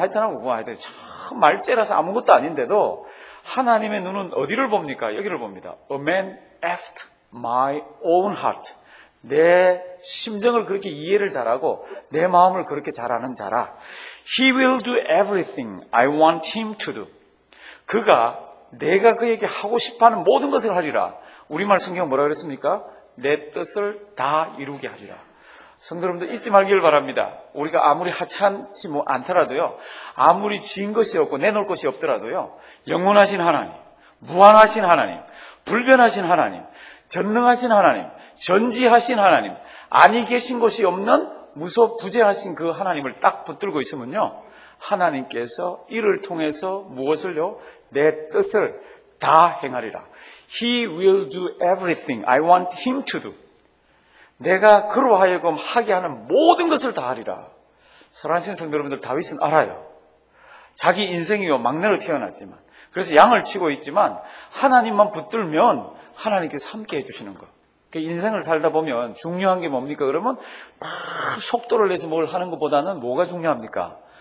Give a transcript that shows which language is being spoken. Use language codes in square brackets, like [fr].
[ko] 하여튼 참 말재라서 아무것도 아닌데도 하나님의 눈은 어디를 봅니까? 여기를 봅니다. [en] A man after my own heart. [ko] 내 심정을 그렇게 이해를 잘하고 내 마음을 그렇게 잘 아는 자라. [en] He will do everything I want him to do. [ko] 그가 내가 그에게 하고 싶어하는 모든 것을 하리라. 우리말 성경 뭐라 그랬습니까? 내 뜻을 다 이루게 하리라. 성도 여러분들 잊지 말기를 바랍니다. 우리가 아무리 하찮지 않더라도요, 아무리 쥔 것이 없고 내놓을 것이 없더라도요, 영원하신 하나님, 무한하신 하나님, 불변하신 하나님, 전능하신 하나님, 전지하신 하나님, 아니 계신 곳이 없는 무소부재하신 그 하나님을 딱 붙들고 있으면요, 하나님께서 이를 통해서 무엇을요? 내 뜻을 다 행하리라. [en] He will do everything I want him to do. [ko] 내가 그로 하여금 하게 하는 모든 것을 다 하리라. 사랑하는 성도 여러분들, 다윗은 알아요. 자기 인생이요, 막내로 태어났지만, 그래서 양을 치고 있지만 하나님만 붙들면 하나님께서 함께 해주시는 것. 인생을 살다 보면 중요한 게 뭡니까? 그러면 막 속도를 내서 뭘 하는 것보다는 뭐가 중요합니까?